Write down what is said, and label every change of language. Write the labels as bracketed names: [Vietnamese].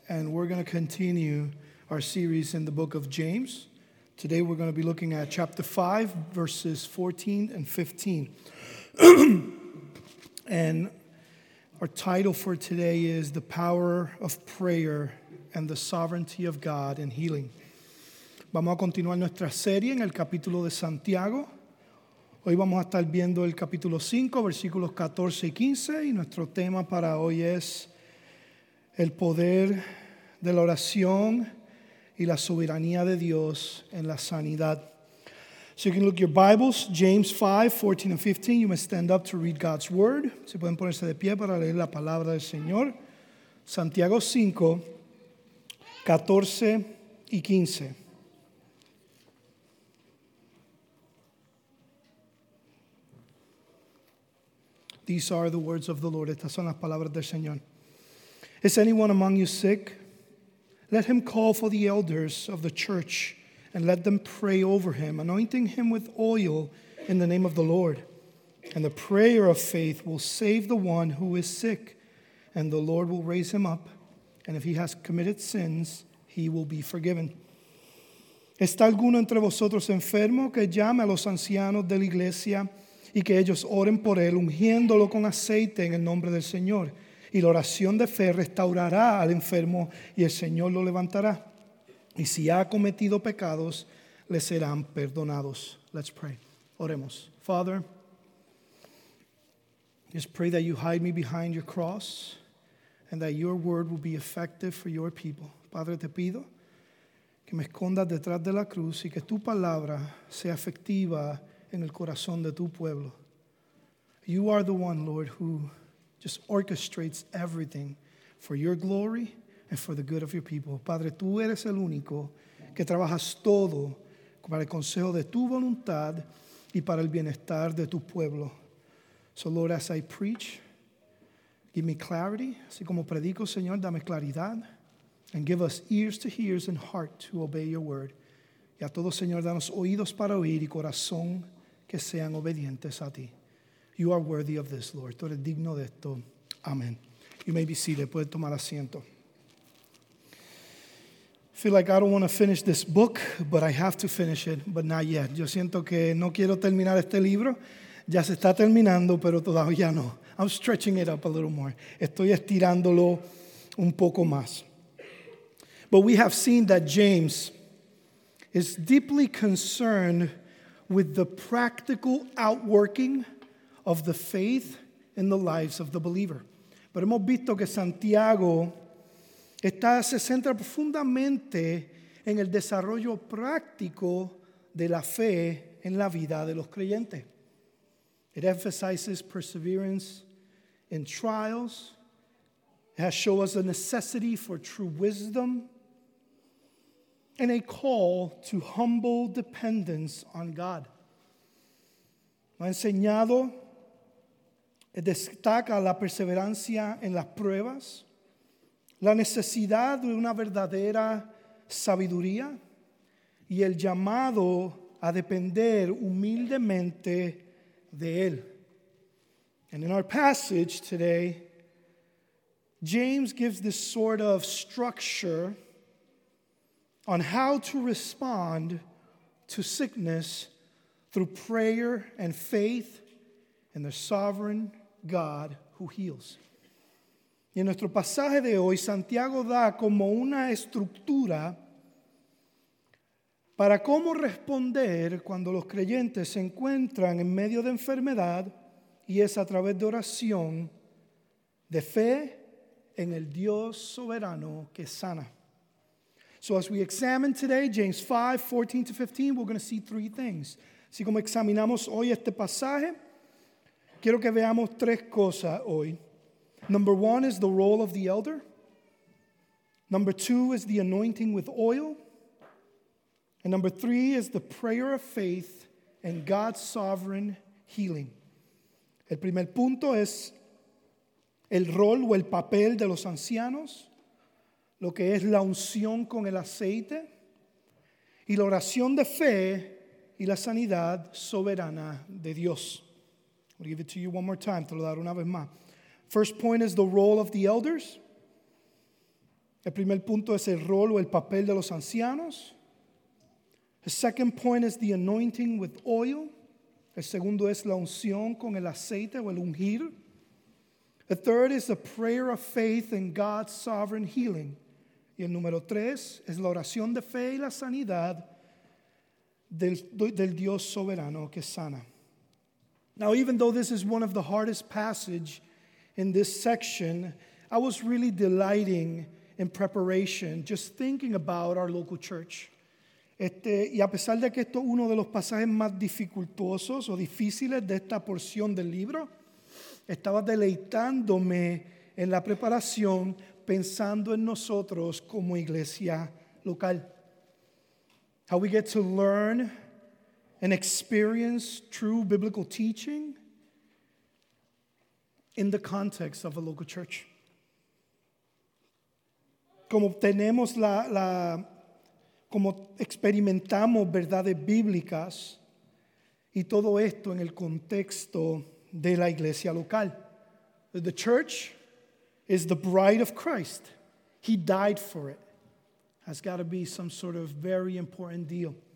[English] And we're going to continue our series in the book of James. Today we're going to be looking at chapter 5, verses 14 and 15. And our title for today is The Power of Prayer and the Sovereignty of God in Healing. [Spanish] Vamos a continuar nuestra serie en el capítulo de Santiago. Hoy vamos a estar viendo el capítulo 5, versículos 14 y 15, y nuestro tema para hoy es el poder de la oración y la soberanía de Dios en la sanidad. [English] So you can look your Bibles, James 5, 14 and 15. You may stand up to read God's word. [Spanish] Se pueden ponerse de pie para leer la palabra del Señor. Santiago 5, 14 y 15. [English] These are the words of the Lord. [Spanish] Estas son las palabras del Señor. [English] Is anyone among you sick? Let him call for the elders of the church and let them pray over him, anointing him with oil in the name of the Lord. And the prayer of faith will save the one who is sick, and the Lord will raise him up. And if he has committed sins, he will be forgiven. [Spanish] ¿Está alguno entre vosotros enfermo que llame a los ancianos de la iglesia y que ellos oren por él, ungiéndolo con aceite en el nombre del Señor? Y la oración de fe restaurará al enfermo, y el Señor lo levantará. Y si ha cometido pecados, le serán perdonados. [English] Let's pray. [Spanish] Oremos. [English] Father, just pray that you hide me behind your cross, and that your word will be effective for your people. [Spanish] Padre, te pido que me escondas detrás de la cruz, y que tu palabra sea efectiva en el corazón de tu pueblo. [English] You are the one, Lord, who just orchestrates everything for your glory and for the good of your people. [Spanish] Padre, tú eres el único que trabajas todo para el consejo de tu voluntad y para el bienestar de tu pueblo. [English] So, Lord, as I preach, give me clarity. [Spanish] Así como predico, Señor, dame claridad. [English] And give us ears to hear and heart to obey your word. [Spanish] Y a todos, Señor, danos oídos para oír y corazón que sean obedientes a ti. [English] You are worthy of this, Lord. [Spanish] Tú eres digno de esto. Amén. [English] You may be seated. [Spanish] Puede tomar asiento. [English] I feel like I don't want to finish this book, but I have to finish it, but not yet. [Spanish] Yo siento que no quiero terminar este libro. Ya se está terminando, pero todavía no. [English] I'm stretching it up a little more. [Spanish] Estoy estirándolo un poco más. [English] But we have seen that James is deeply concerned with the practical outworking of the faith in the lives of the believer. [Spanish] Pero hemos visto que Santiago se centra profundamente en el desarrollo práctico de la fe en la vida de los creyentes. [English] It emphasizes perseverance in trials. It has shown us a necessity for true wisdom and a call to humble dependence on God. [Spanish] Me ha enseñado, destaca la perseverancia en las pruebas, la necesidad de una verdadera sabiduría y el llamado a depender humildemente de Él. [English] And in our passage today, James gives this sort of structure on how to respond to sickness through prayer and faith in the sovereign God who heals. [Spanish] Y en nuestro pasaje de hoy, Santiago da como una estructura para cómo responder cuando los creyentes se encuentran en medio de enfermedad, y es a través de oración de fe en el Dios soberano que sana. [English] So as we examine today, James 5, 14 to 15, we're going to see three things. [Spanish] Así como examinamos hoy este pasaje, quiero que veamos tres cosas hoy. [English] Number one is the role of the elder. Number two is the anointing with oil. And number three is the prayer of faith and God's sovereign healing. [Spanish] El primer punto es el rol o el papel de los ancianos, lo que es la unción con el aceite y la oración de fe y la sanidad soberana de Dios. [English] I'm going to give it to you one more time. [Spanish] Te lo daré una vez más. [English] First point is the role of the elders. [Spanish] El primer punto es el rol o el papel de los ancianos. [English] The second point is the anointing with oil. [Spanish] El segundo es la unción con el aceite o el ungir. [English] The third is the prayer of faith in God's sovereign healing. [Spanish] Y el número tres es la oración de fe y la sanidad del Dios soberano que sana. [English] Now, even though this is one of the hardest passages in this section, I was really delighting in preparation, just thinking about our local church. [Spanish] Y a pesar de que esto es uno de los pasajes más dificultosos o difíciles de esta porción del libro, estaba deleitándome en la preparación, pensando en nosotros como iglesia local. [English] How we get to learn and experience true biblical teaching in the context of a local church. [Spanish] Como tenemos la como experimentamos verdades bíblicas y todo esto en el contexto de la iglesia local. [English] The church is the bride of Christ. He died for it. Has got to be some sort of very important deal.